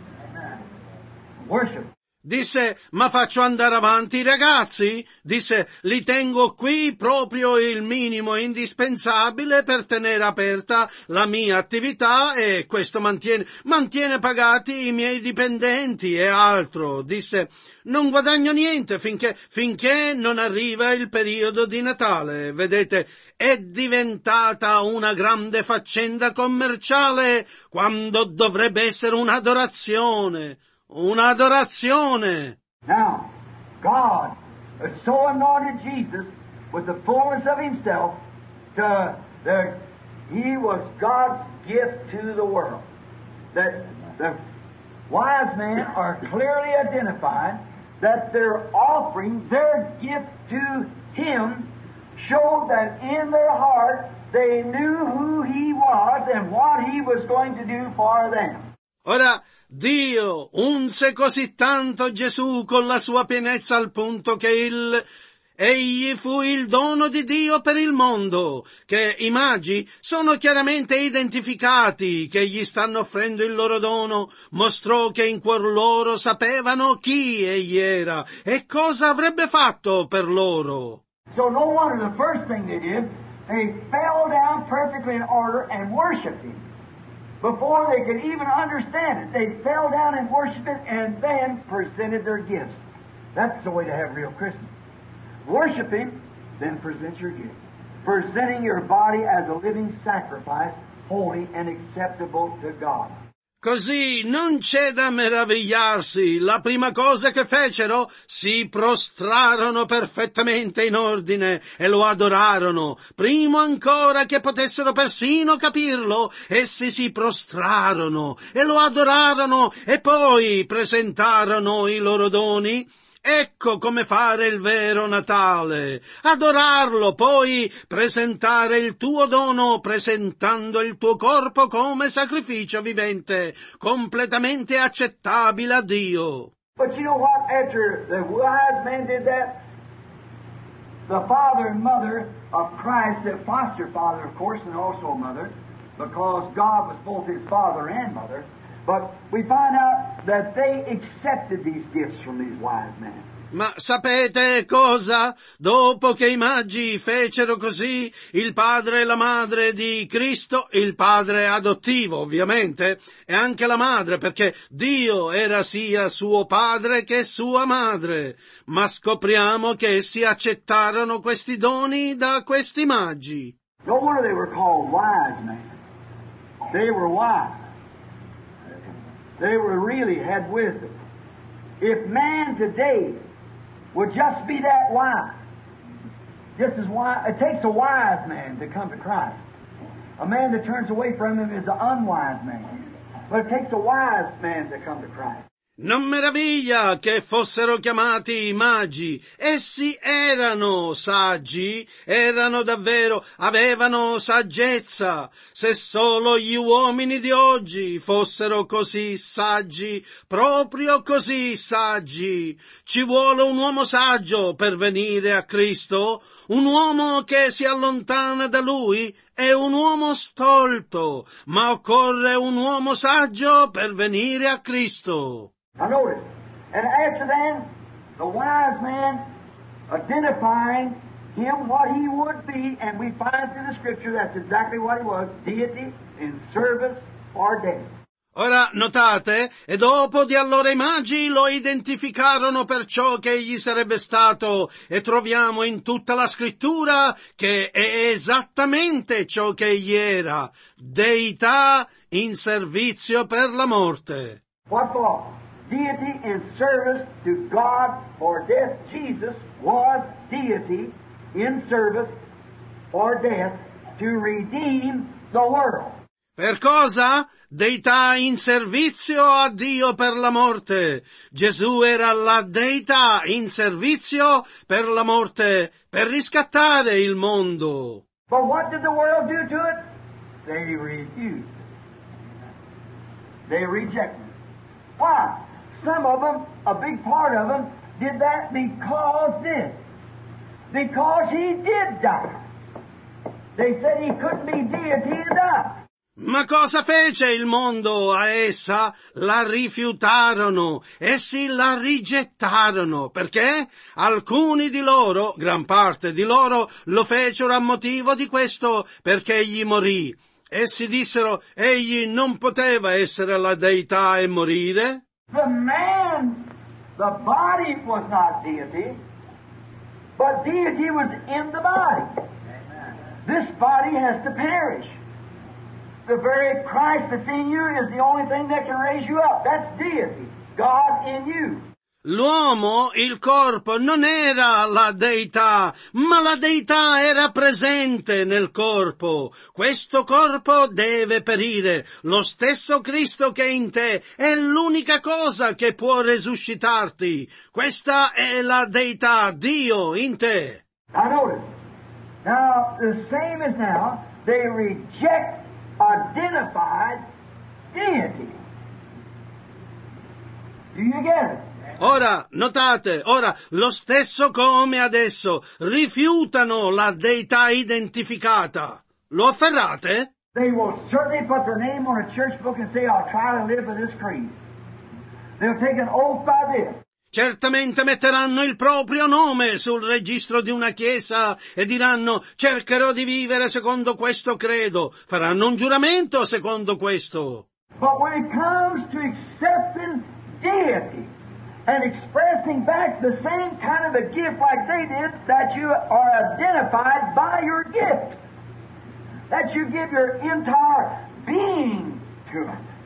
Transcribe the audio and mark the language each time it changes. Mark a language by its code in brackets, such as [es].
[en] Amen. Worship. [it] Disse, ma faccio andare avanti i ragazzi? Disse, li tengo qui proprio il minimo indispensabile per tenere aperta la mia attività e questo mantiene pagati i miei dipendenti e altro. Disse, non guadagno niente finché non arriva il periodo di Natale. Vedete, è diventata una grande faccenda commerciale quando dovrebbe essere un'adorazione. Un'adorazione. [en] Now, God has so anointed Jesus with the fullness of himself that he was God's gift to the world. That the wise men are clearly identified that their offering, their gift to him, showed that in their heart they knew who he was and what he was going to do for them. Ora, Dio unse così tanto Gesù con la sua pienezza al punto che egli fu il dono di Dio per il mondo, che i magi sono chiaramente identificati che gli stanno offrendo il loro dono, mostrò che in cuor loro sapevano chi egli era e cosa avrebbe fatto per loro. So no wonder the first thing they did, they fell down perfectly in order and worshiped him. Before they could even understand it, they fell down and worshiped it and then presented their gifts. That's the way to have real Christmas. Worship him, then present your gift. Presenting your body as a living sacrifice, holy and acceptable to God. [it] Così non c'è da meravigliarsi. La prima cosa che fecero, si prostrarono perfettamente in ordine e lo adorarono. Primo ancora che potessero persino capirlo, essi si prostrarono e lo adorarono e poi presentarono i loro doni. Ecco come fare il vero Natale. Adorarlo, poi presentare il tuo dono, presentando il tuo corpo come sacrificio vivente, completamente accettabile a Dio. [en] But you know what? After the wise men did that, the father and mother of Christ, the foster father, of course, and also a mother, because God was both his father and mother, but we find out that they accepted these gifts from these wise men. [it] Ma sapete cosa? Dopo che i magi fecero così, il padre e la madre di Cristo, il padre adottivo ovviamente, e anche la madre, perché Dio era sia suo padre che sua madre, ma scopriamo che essi accettarono questi doni da questi magi. [en] No wonder they were called wise men. They were wise. They were really had wisdom. If man today would just be that wise, just as wise, it takes a wise man to come to Christ. A man that turns away from him is an unwise man. But it takes a wise man to come to Christ. [it] Non meraviglia che fossero chiamati i magi. Essi erano saggi, erano davvero, avevano saggezza. Se solo gli uomini di oggi fossero così saggi, proprio così saggi. Ci vuole un uomo saggio per venire a Cristo. Un uomo che si allontana da lui è un uomo stolto, ma occorre un uomo saggio per venire a Cristo. [en] Now notice, and after then, the wise man identifying him what he would be, and we find through the scripture that's exactly what he was, deity in service or death. [it] Ora notate, e dopo di allora i magi lo identificarono per ciò che egli sarebbe stato, e troviamo in tutta la scrittura che è esattamente ciò che egli era, deità in servizio per la morte. [en] What for? Deity in service to God for death. Jesus was deity in service for death to redeem the world. [it] Per cosa? Deità in servizio a Dio per la morte. Gesù era la deità in servizio per la morte, per riscattare il mondo. [en] But what did the world do to it? They refused. They rejected. Why? Some of them, a big part of them, did that because this. Because he did die. They said he couldn't be deityed up. [it] Ma cosa fece il mondo a essa? La rifiutarono, essi la rigettarono, perché alcuni di loro, gran parte di loro, lo fecero a motivo di questo, perché egli morì. Essi dissero, egli non poteva essere la deità e morire. [en] The man, the body was not deity, but deity was in the body. This body has to perish. The very Christ that's in you is the only thing that can raise you up. That's deity. God in you. [it] L'uomo, il corpo, non era la deità, ma la deità era presente nel corpo. Questo corpo deve perire. Lo stesso Cristo che è in te è l'unica cosa che può resuscitarti. Questa è la deità, Dio in te. [en] Now notice. Now, the same as now, they reject identified deity. Do you get it? [it] Ora, notate, ora, lo stesso come adesso, rifiutano la deità identificata. Lo afferrate? [en] They will certainly put their name on a church book and say, I'll try to live with this creed. They'll take an oath by this. [it] Certamente metteranno il proprio nome sul registro di una chiesa e diranno, cercherò di vivere secondo questo credo. Faranno un giuramento secondo questo. [en] But when it comes to accepting deity, and expressing back the same kind of a gift like they did, that you are identified by your gift. That you give your entire being to it.